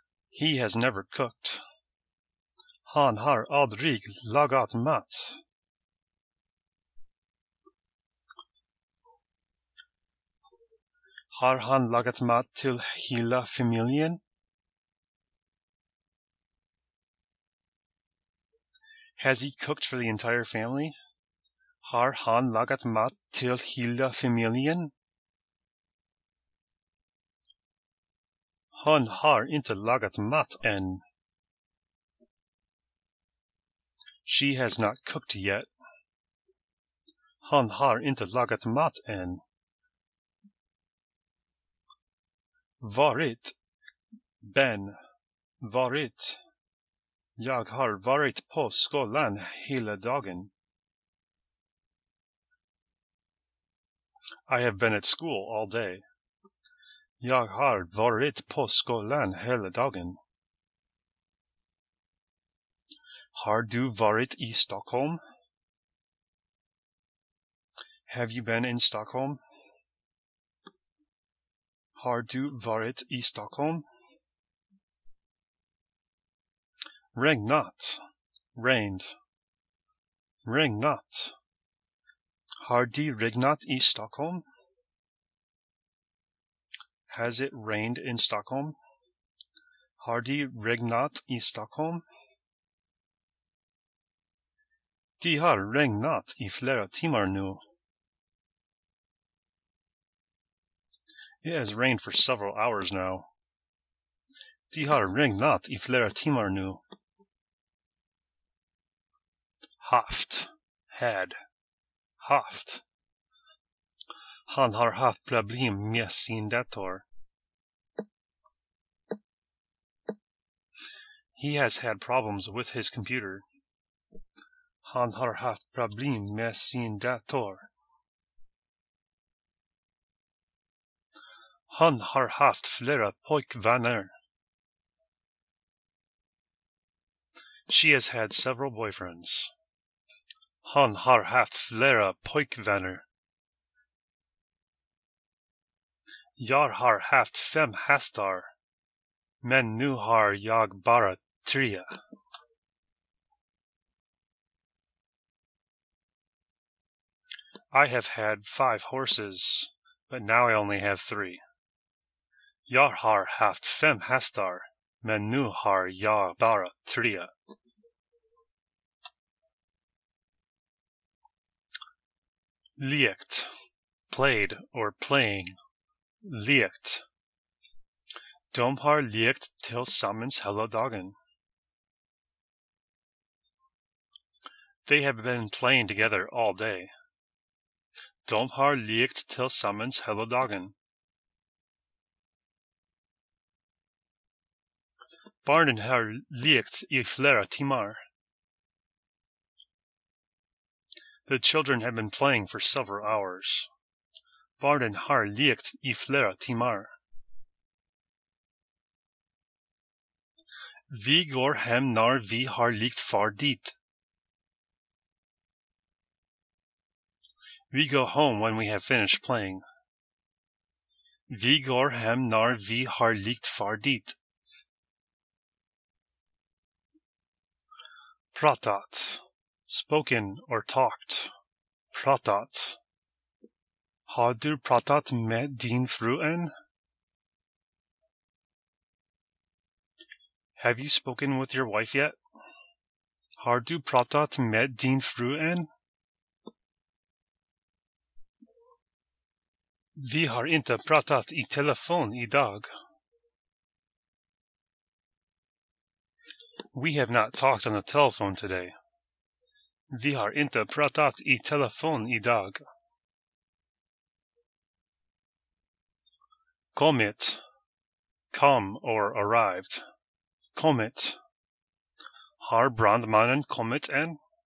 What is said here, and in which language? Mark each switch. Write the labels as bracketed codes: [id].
[en] He has never cooked. [sv] Han har aldrig lagat mat. Har han lagat mat till hela familjen? [en] Has he cooked for the entire family? [sv] Har han lagat mat till hela familjen? Han har inte lagat mat än. [en] She has not cooked yet. [sv] Han har inte lagat mat än. Varit. Ben. Varit. Jag har varit på skolan hela dagen. [en] I have been at school all day. [sv] Jag har varit på skolan hela dagen. Har du varit i Stockholm? [en] Have you been in Stockholm? [sv] Har du varit i Stockholm? Regnat. Rained. Regnat. Har det regnat i Stockholm? [en] Has it rained in Stockholm? [sv] Har det regnat i Stockholm? Det har regnat i flera timmar nu. [en] It has rained for several hours now. [sv] Det har regnat i flera timmar nu. Haft. Had. Haft. Han har haft problem med sin dator. [en] He has had problems with his computer. [sv] Han har haft problem med sin dator. Han har haft flera pojkvänner. [en] She has had several boyfriends. [sv] Han har haft flera pojkvänner. Jag har haft fem hästar, men nu har jag bara tre. [en] I have had five horses, but now I only have three. [sv] Jag har haft fem hästar, men nu har jag bara tre. [en] Lekt, played or playing. Lekt. [sv] De har lekt tillsammans hela dagen. [en] They have been playing together all day. [sv] De har lekt tillsammans hela dagen. Barnen har lekt i flera timmar. [en] The children have been playing for several hours. [sv] Barnen har lekt i flera timmar. Vi går hem när vi har lekt färdigt. [en] We go home when we have finished playing. [sv] Vi går hem när vi har lekt färdigt. [en] Pratat. Spoken or talked. Pratat. [sv] Har du pratat med din fru än? [en] Have you spoken with your wife yet? [sv] Har du pratat med din fru än? Vi har inte pratat i telefon idag. [en] We have not talked on the telephone today. [sv] Vi har inte pratat i telefon idag. [en] Kommit. Come or arrived. Kommit. [sv] Har brandmannen kommit än?